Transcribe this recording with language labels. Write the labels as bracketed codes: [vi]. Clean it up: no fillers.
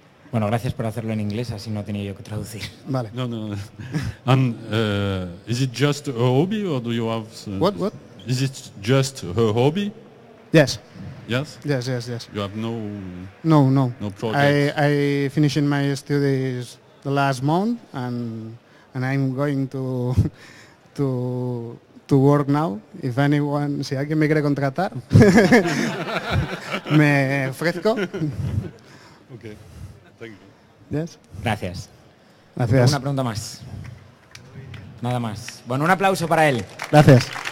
[es] Bueno, gracias por hacerlo en inglés, así no tenía yo que traducir. Vale. No. [en] And is it just a hobby or do you have what? Is it just a hobby? Yes. Yes. Yes. Yes. Yes. You have no. No projects. I finishing my studies the last month and I'm going to work now. If anyone, [es] si alguien me quiere contratar, me ofrezco. [en] Okay, thank you. Yes. [es] Gracias. Gracias. Una pregunta más. Nada más. Bueno, un aplauso para él. Gracias.